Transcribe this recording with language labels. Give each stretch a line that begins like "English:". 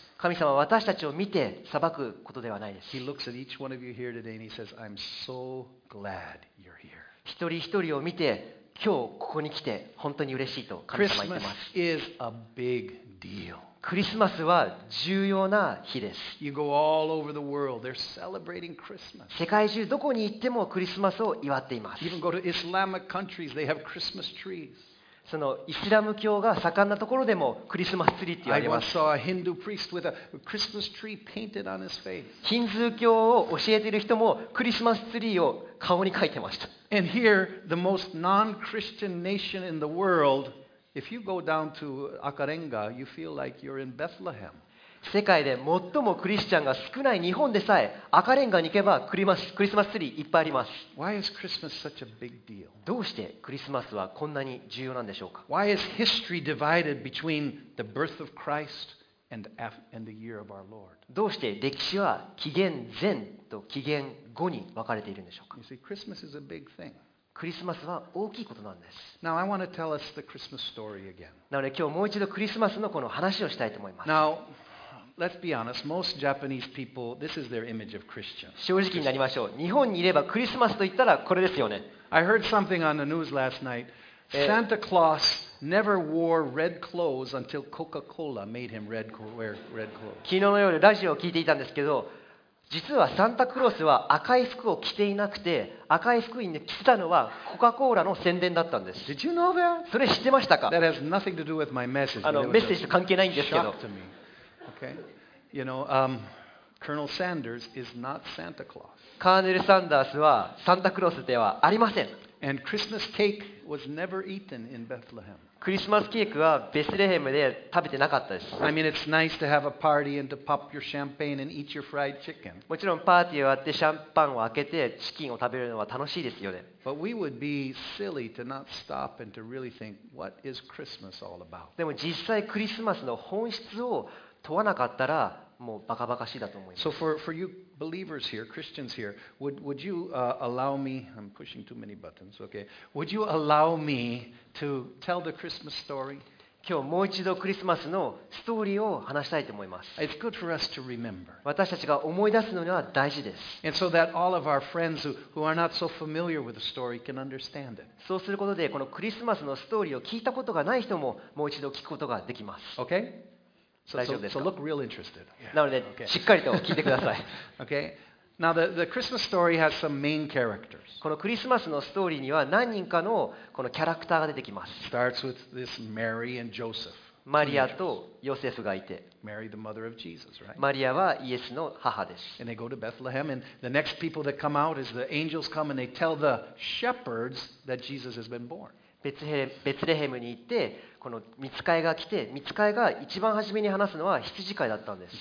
Japanese: 神様は私たちを見て裁くことではないです。
English: He looks at each one of you here today and he says, I'm so glad you're here.
Japanese: 一人一人を見て今日ここに来て本当に嬉しいと神様は言ってます。
English: Christmas is a big deal.
Japanese: クリスマスは重要な日です。
English: You go all over the world, they're celebrating Christmas.
Japanese: 世界中どこに行ってもクリスマスを祝っています。
English: Even go to Islamic countries, they have Christmas trees.
Japanese: そのイスラム教が盛んなところでもクリスマスツリーって呼びます。ヒンドゥー教を教えている人もクリスマスツリーを顔に描いてました。
English: And here, the most non-Christian nation in the world, if you go down to Akarenga, you feel like you're in Bethlehem.
Japanese: 世界で最もクリスチャンが少ない日本でさえ赤レンガに行けばクリスマスツリーいっぱいあります。
English: Why is Christmas such a big deal?
Japanese: どうしてクリスマスはこんなに重要なんでしょうか。
English: Why is history divided between the birth of Christ and the year of our Lord?
Japanese: どうして歴史は紀元前と紀元後に分かれているんでしょうか。
English: You see, Christmas is a big thing.
Japanese: クリスマスは大きいことなんです。
English: Now, I want to tell us the Christmas story again.
Japanese: なので今日もう一度クリスマスのこの話をしたいと思います。
English: Now, let's be honest. Most Japanese people, this is their image of Christians.
Japanese: 正直になりましょう。日本にいればクリスマスと言ったらこれですよね。
English: I heard something on the news last night. Santa Claus never wore red clothes until Coca-Cola made him wear red clothes.
Japanese: 昨日の夜ラジオを聞いていたんですけど、実はサンタクロースは赤い服を着ていなくて、赤い服に着てたのはコカ・コーラの宣伝だったんです。
English: Did you know that?
Japanese: それ知ってましたか？
English: That has nothing to do with my message.
Japanese: メッセージと関係ないんですけど。
English: Shock to me. Okay. You know, Colonel Sanders is not Santa Claus.
Japanese: カーネル・サンダースはサンタクロースではありません。
English: And Christmas cake was never eaten in Bethlehem.
Japanese: クリスマスケーキはベスレヘムで食べてなかったです。
English: I mean, it's nice to have a party and to pop your champagne and eat your fried chicken.
Japanese: もちろんパーティーを終わってシャンパンを開けてチキンを食べるのは楽しいですよね。
English: But we would be silly to not stop and to really think, what is Christmas all about?
Japanese: でも実際クリスマスの本質を問わなかったらもうバカバカしいだと思います。
English: So for you believers here, Christians here, would you allow me? I'm pushing too many buttons. Okay. Would you allow me to tell the Christmas story?
Japanese: 今日もう一度クリスマスのストーリーを話したいと思います。
English: It's good for us to remember.
Japanese: 私たちが思い出すのには大事です。
English: And so that all of our friends who are not so familiar with the story can understand it.
Japanese: そうすることでこのクリスマスのストーリーを聞いたことがない人ももう一度聞くことができます。
English: Okay. So look real interested.
Japanese: なので、しっかりと聞いてください。
English: Okay. Now the Christmas story has some main characters.
Japanese: このクリスマスのストーリーには何人かのこのキャラクターが出てきます。
English: Starts with this Mary and Joseph.
Japanese: マリアとヨセフがいて。
English: Mary the mother of Jesus, right?
Japanese: マリアはイエスの母です。
English: And they go to Bethlehem, and the next people that come out is the angels come and they tell the shepherds that Jesus has been born.
Japanese: ベツレヘムに行ってこの御使いが来て御使いが一番初めに話すのは羊飼いだったんです。